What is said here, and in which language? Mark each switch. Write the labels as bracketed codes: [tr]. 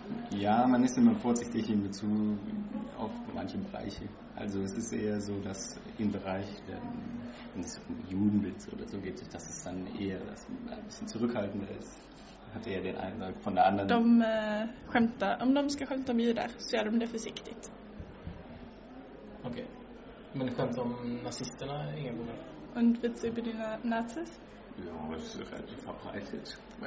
[de] Ja, man ist immer vorsichtig in Bezug auf manche Bereiche. Also es ist eher so, dass im Bereich des Judenwitz oder so geht, dass es dann eher dass man ein bisschen zurückhaltender ist. Hat eher den Eindruck von der anderen. [sv] Om de ska skämta om judar, så gör de det försiktigt. Okej. Okay. Men skämt om nazisterna, ingen problem. [de] Und Witze über die Nazis? Ja, es ist relativ verbreitet.